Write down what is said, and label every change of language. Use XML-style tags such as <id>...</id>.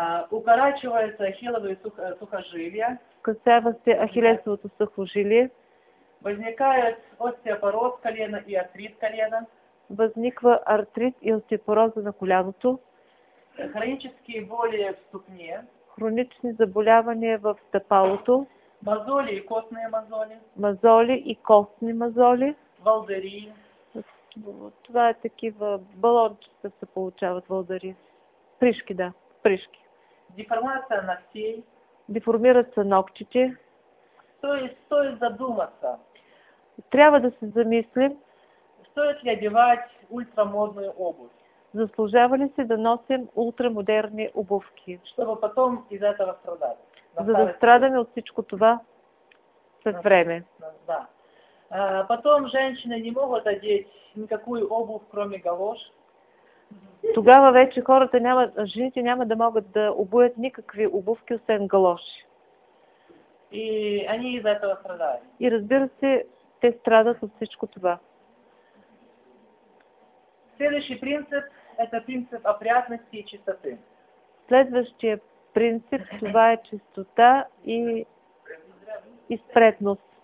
<ru>Укорачиваются ахилловые сухожилия.</ru> <bg>Касава се ахиллесовото сухожилие.</bg> <ru>Возникает остеопороз колена и артрит колена.</ru> <bg>Възниква артрит и остеопороза на коляното.</bg> <ru>Хронические боли в ступне.</ru> <bg>Хронични заболявания в стъпалото.</bg> <ru>Мозоли и костные мозоли.</ru> <bg>Мозоли и костни мозоли. Валдари. Това е такива балончета се получават, валдари. Пришки, да. Пришки.</bg> <ru>Деформация ногтей.</ru> <bg>Деформират се ногтите.</bg> <ru>Стоит задуматься.</ru> <bg>Трябва да се замислим.</bg> <ru>Стоит ли одевать ультрамодную обувь?</ru> <bg>Заслужава ли се да носим ултрамодерни обувки?</bg> <ru>Чтобы потом из этого страдать.</ru> <bg>За да страдаме от всичко това след време.</bg> <ru>Да. Потом женщины не могут одеть никакую обувь, кроме галош.</ru> <bg>Тогава вече хората няма, жените няма да могат да обуят никакви обувки, освен галоши.</bg> <ru>И они из-за этого страдают.</ru> <bg>И разбира се, те страдат от всичко това.</bg> <ru>Следующий принцип – это принцип опрятности и чистоты.</ru> <bg>Следващия принцип – това е чистота и изпредност.</bg>